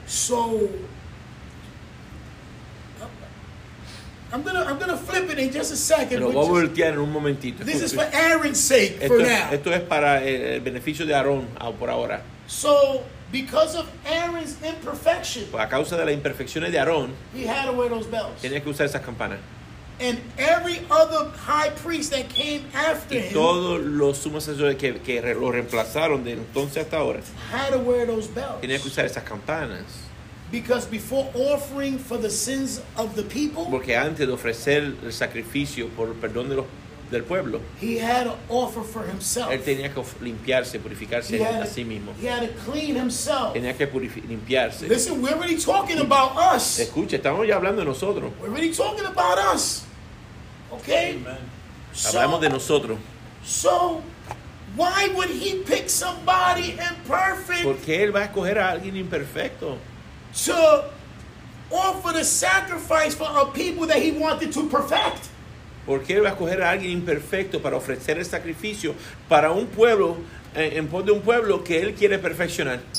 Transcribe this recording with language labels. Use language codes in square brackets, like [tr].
[en] So I'm gonna flip it in just a second. [es] Pero voy a voltear en un momentito. [en] This is for Aaron's sake for now. [es] Esto es para el beneficio de Aarón por ahora. [en] So because of Aaron's imperfection, [es] a causa de las imperfecciones de Aarón, [en] he had to wear those bells. [es] Tenía que usar esas campanas. [en] And every other high priest that came after him, [es] y todos los sumos sacerdotes que lo reemplazaron de entonces hasta ahora, [en] had to wear those bells. [es] Tenía que usar esas campanas. [en] Because before offering for the sins of the people, [es] porque antes de ofrecer el sacrificio por el perdón de del pueblo, [en] he had to offer for himself. [es] Él tenía que limpiarse, purificarse a sí mismo. [en] He had to clean himself. [es] Tenía que limpiarse. [en] Listen, we're already talking about us. [es] Escucha, estamos ya hablando de nosotros. [en] We're already talking about us. Okay? [es] Amen. Hablamos de nosotros. [en] So why would he pick somebody imperfect? [es] ¿Por qué él va a escoger a alguien imperfecto? [en] To offer the sacrifice for a people that he wanted to perfect. [es] ¿Por qué él va a escoger a alguien imperfecto para ofrecer el sacrificio para un pueblo en pos de un pueblo que él quiere perfeccionar?